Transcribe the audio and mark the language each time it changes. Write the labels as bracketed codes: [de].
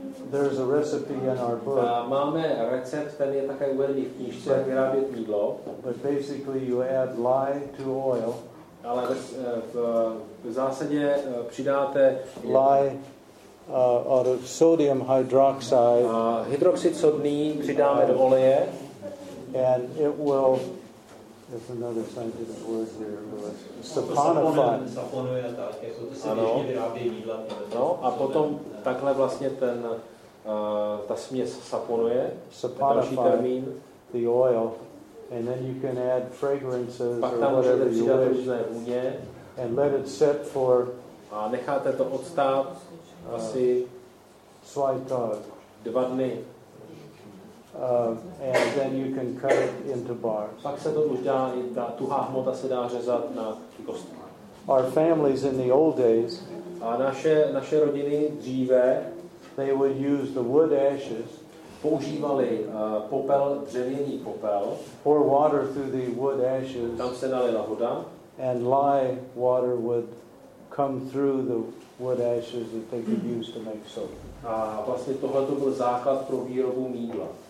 [en] There's a recipe in our book. [cs] Máme recept, ten je také uvedený v knížce, jak vyrábět mýdlo. [en] But basically you add lye to oil. [cs] Ale v zásadě přidáte [en] lye out of sodium hydroxide. [cs] Hydroxid sodný přidáme do oleje. [en] And it will, there's another scientific word here, Lewis, saponify. [cs] Ano. No, a potom takhle vlastně ten, ta směs saponuje. [en] Saponify the oil. And then you can add fragrances or whatever you wish. And let it sit for, [cs] a necháte to odstát asi dva dny. [en] And then you can cut it into bars. [cs] Pak se to už dá, ta tuhá hmota se dá řezat na kostky. [en] Our families in the old days, [cs] a naše rodiny dříve, [en] they would use the wood ashes, [cs] používali popel, dřevěný popel, [en] pour water through the wood ashes, [cs] tam se nalila voda, [en] and lye water would come through the wood ashes that they could use to make soap. [cs] A vlastně tohle to byl základ pro výrobu mýdla.